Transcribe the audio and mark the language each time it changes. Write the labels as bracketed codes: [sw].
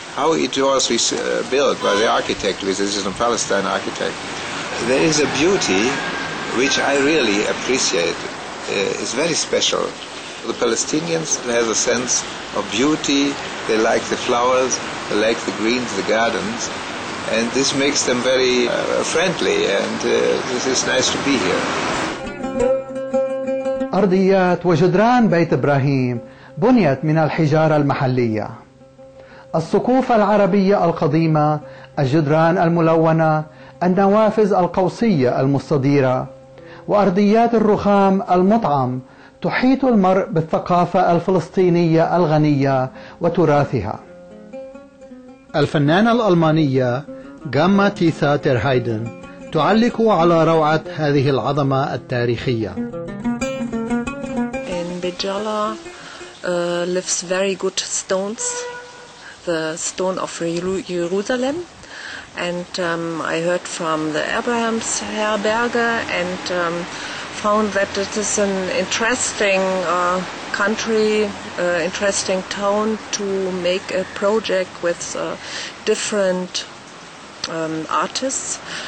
[en] how it was built by the architect, which is a Palestine architect, there is a beauty which I really appreciate. It's very special. The Palestinians have a sense of beauty. They like the flowers, they like the greens, the gardens, and this makes them very friendly, and this is nice to be here. [ar] أرضيات وجدران بيت إبراهيم بنيت من الحجارة المحلية. السقوف العربية القديمة، الجدران الملونة، النوافذ القوسية المستديرة، وأرضيات الرخام المطعم تحيط المرء بالثقافة الفلسطينية الغنية وتراثها. الفنانة الألمانية جاما تيثا تيرهايدن تعلق على روعة هذه العظمة التاريخية. [en] Bejala lives very good stones, the stone of Jerusalem, and I heard from the Abrahams Herberge and found that it is an interesting country, interesting town to make a project with different artists.